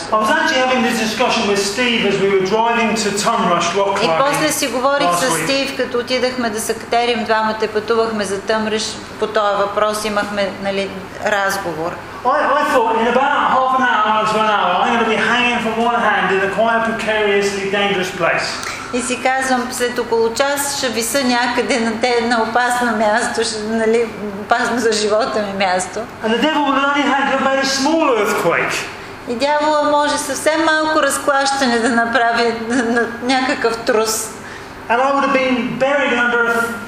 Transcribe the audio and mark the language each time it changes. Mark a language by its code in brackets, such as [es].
[en] I was actually having this discussion with Steve as we were driving to Tumrush rock climbing. [bg] И после си говорих с Стив, като отидахме да се катерим двамата, пътувахме за Тъмръш, по този въпрос имахме, нали, разговор. [en] I thought in about half an hour to an hour, I'm going to be hanging from one hand in a quite precariously dangerous place. [bg] И си казвам, след около час ще виса някъде на те на опасно място, ще, нали, опасно за живота ми място. [en] And the devil would only have made a small earthquake. [bg] И дявола може съвсем малко разклащане да направи на някакъв трус. [en] And I would have been buried under a